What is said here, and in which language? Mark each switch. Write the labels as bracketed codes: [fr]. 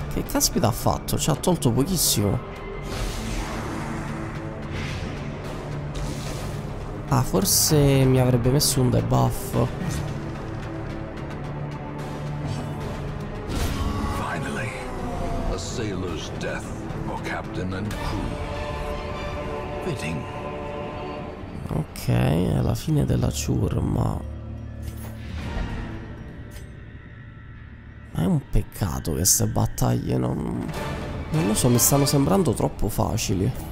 [it] Caspita ha fatto, ci ha tolto pochissimo. Ah, forse mi avrebbe messo un debuff. [en] Finally, a sailor's death for captain and crew. Fitting. [it] Ok, è la fine della ciurma. Peccato che queste battaglie non lo so, mi stanno sembrando troppo facili.